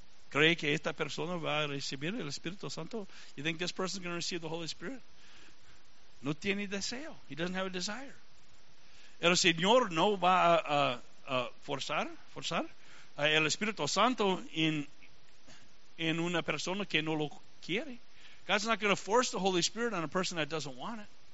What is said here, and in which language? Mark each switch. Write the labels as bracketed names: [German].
[Spanish] ¿Cree que esta persona va a recibir el Espíritu Santo? [English] You think this person is going to receive the Holy Spirit? [Spanish] No tiene deseo. [English] He doesn't have a desire. [Spanish] El Señor no va a forzar el Espíritu Santo en una persona que no lo quiere. [English] God's not going to force the Holy Spirit on a person that doesn't want it.